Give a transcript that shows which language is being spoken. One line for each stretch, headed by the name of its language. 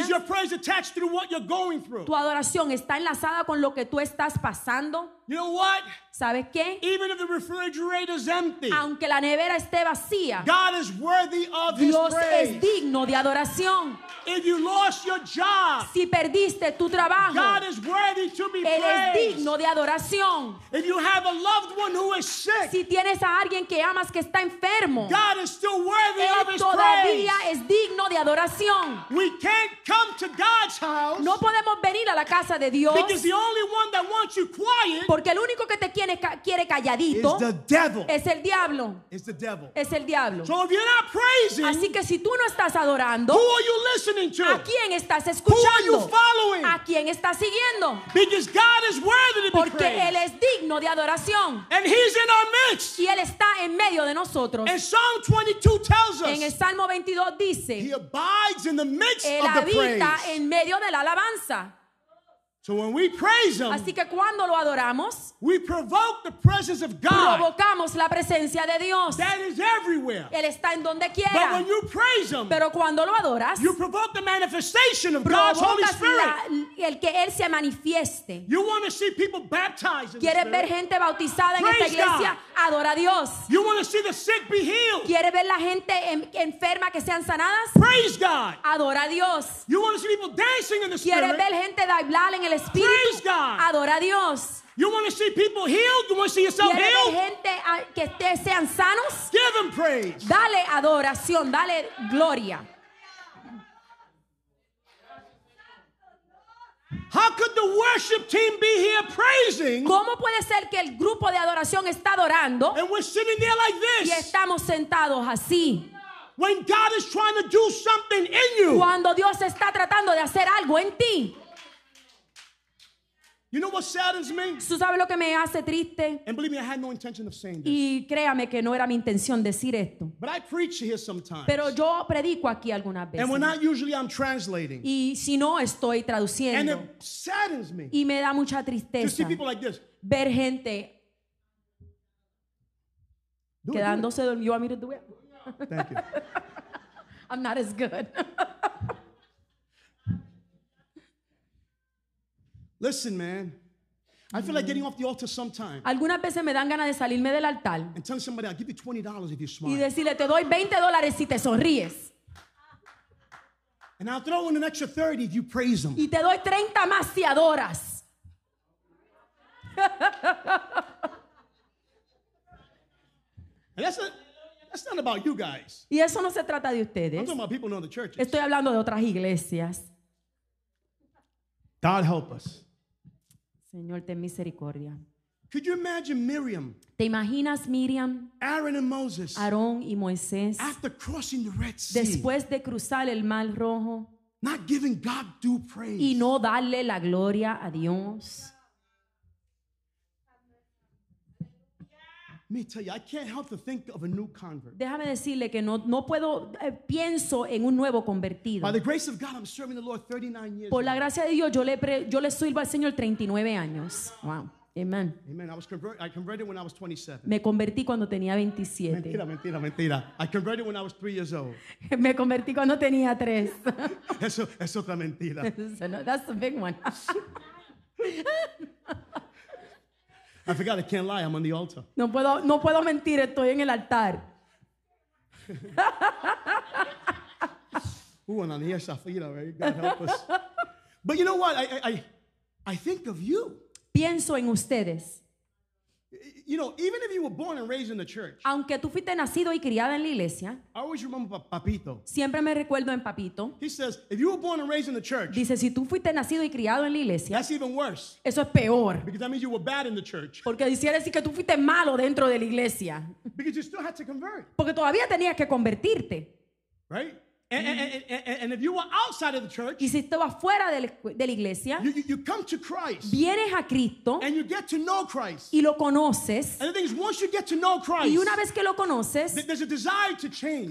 English: Is your praise attached to what you're going through?
Spanish: Tu adoración está enlazada con lo que tú estás pasando?
English: You know what?
Spanish: ¿Sabes qué?
English: Even if the refrigerator is empty,
Spanish: aunque la nevera esté vacía,
English: God is worthy of
Spanish: Dios
English: his praise.
Spanish: Dios es digno de adoración.
English: If you lost your job,
Spanish: si perdiste tu trabajo,
English: God is worthy to be praised.
Spanish: Él es digno de adoración.
English: If you have a loved one who is sick,
Spanish: si tienes a alguien que amas que está enfermo,
English: God is still worthy of his praise.
Spanish: Él todavía es digno de adoración.
English: We can't come to God's house.
Spanish: No podemos venir a la casa de Dios.
English: Because the only one that wants you quiet.
Spanish: Porque el único que te quiere calladito
English: is the devil.
Spanish: Es el diablo.
English: Is the devil.
Spanish: Es el diablo.
English: So if you're not praising,
Spanish: así que si tú no estás adorando,
English: who are you listening to?
Spanish: ¿A quién estás escuchando?
English: Who are you following?
Spanish: ¿A quién estás siguiendo?
English: Because God is worthy to be
Spanish: porque
English: praised.
Spanish: Él es digno de adoración.
English: And he's in our midst.
Spanish: Y él está en medio de nosotros.
English: And Psalm 22 tells us,
Spanish: en el Salmo 22 dice,
English: he abides in the midst of the praise.
Spanish: Él habita en medio de la alabanza.
English: So when we praise him,
Spanish: así que cuando lo adoramos,
English: we provoke the presence of God.
Spanish: Provocamos la presencia de Dios.
English: That is everywhere.
Spanish: Él está en donde quiera.
English: But when you praise him,
Spanish: pero cuando lo adoras,
English: you provoke the manifestation of God's Holy Spirit.
Spanish: El que él se manifieste.
English: You want to see people baptized.
Spanish: ¿Quieres ver gente bautizada en esta iglesia? Adora a Dios.
English: You want to see the sick be healed.
Spanish: ¿Quieres ver la gente enferma que sean sanadas?
English: Praise God.
Spanish: Adora a Dios.
English: You want to see people dancing in the
Spanish: ¿quieres
English: Spirit.
Spanish: ¿Quieres ver gente bailar en el Espíritu?
English: Praise God.
Spanish: Adora a Dios.
English: You want to see people healed? You want to see yourself
Spanish: ¿quieres
English: healed?
Spanish: Gente que te sean sanos?
English: Give them praise.
Spanish: Dale adoración, dale gloria.
English: How could the worship team be here praising?
Spanish: ¿Cómo puede ser que el grupo de adoración está adorando?
English: And we're sitting there like this.
Spanish: Y estamos sentados así.
English: When God is trying to do something in you.
Spanish: Cuando Dios está tratando de hacer algo en ti.
English: You know what saddens me?
Spanish: ¿Tú sabes lo que me hace triste?
English: And believe me, I had no intention of saying this.
Spanish: Y créame que no era mi intención decir esto.
English: But I preach here sometimes.
Spanish: Pero yo predico aquí algunas veces.
English: And when not usually I'm translating.
Spanish: Y si no estoy traduciendo.
English: And it saddens me.
Spanish: Y me da mucha tristeza.
English: To see people like this.
Spanish: Ver gente quedándose dormido.
English: You want me to do it? Thank you. I'm not as good. Listen, man. I feel like getting off the altar sometime.
Spanish: Algunas veces me dan ganas de salirme del altar.
English: And telling somebody, I'll give you $20 if you smile.
Spanish: Y decirle, te doy $20 si te sonríes.
English: And I'll throw in an extra 30 if you praise them.
Spanish: Y te doy 30 más si adoras.
English: And that's not about you guys.
Spanish: Y eso no se trata de ustedes.
English: I'm talking about people in other churches.
Spanish: Estoy hablando de otras iglesias.
English: God help us.
Spanish: Señor, ten misericordia.
English: Could you imagine Miriam?
Spanish: ¿Te imaginas Miriam?
English: Aaron and Moses.
Spanish: Aarón y Moisés.
English: After crossing the Red Sea.
Spanish: Después de cruzar el Mar Rojo.
English: Not giving God due praise.
Spanish: Y no darle la gloria a Dios.
English: Me tell you, I can't help to think of a new convert.
Spanish: Déjame decirle que no puedo pienso en un nuevo convertido.
English: By the grace of God, I'm serving the Lord 39 years.
Spanish: Por la gracia de Dios, yo le sirvo al Señor 39 años.
English: Wow. Amen. Amen. I converted when I was 27.
Spanish: Me convertí cuando tenía 27.
English: Mentira. I converted when I was 3 years old.
Spanish: Me convertí cuando tenía 3. Eso es otra mentira.
English: So, no, that's a big one. I forgot, I can't lie, I'm on the altar.
Spanish: No puedo mentir, estoy en el altar.
English: Ooh, and on the other side, God help us. But you know what? I think of you.
Spanish: Pienso en ustedes.
English: You know, even if you were born and raised in the church.
Spanish: Aunque tú fuiste nacido y criado en la iglesia.
English: I always remember Papito.
Spanish: Siempre me recuerdo en Papito.
English: He says, if you were born and raised in the church.
Spanish: Dice, si tú fuiste nacido y criado en la iglesia.
English: That's even worse.
Spanish: Eso es peor.
English: Because that means you were bad in the church.
Spanish: Porque quisiera decir que tú fuiste malo dentro de la iglesia.
English: Because you still had to convert.
Spanish: Porque todavía tenías que convertirte.
English: Right? And if you were outside of the church,
Spanish: y si estabas fuera de la iglesia,
English: you come to Christ,
Spanish: vienes a Cristo,
English: and you get to know Christ,
Spanish: y lo conoces.
English: And the thing is, once you get to know Christ,
Spanish: y una vez que lo conoces,
English: there's a desire to change.